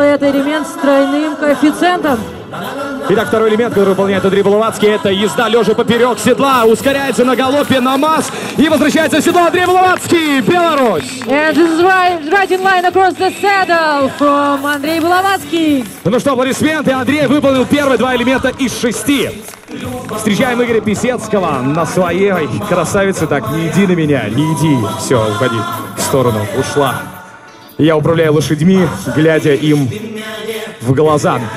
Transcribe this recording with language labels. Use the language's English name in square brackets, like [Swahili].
[Russian] Это элемент с тройным коэффициентом. Итак, второй элемент, который выполняет Андрей Булавацкий, это езда лежа поперек седла, ускоряется на галопе, на масс, и возвращается в седло Андрей Булавацкий, Беларусь! [English] And this is riding line across the saddle from Андрей Булавацкий. [Russian] Ну что, аплодисменты, Андрей выполнил первые два элемента из шести. Встречаем Игоря Писецкого на своей красавице. Так, не иди на меня, не иди. Все, уходи в сторону, ушла. Я управляю лошадьми, глядя им в глаза.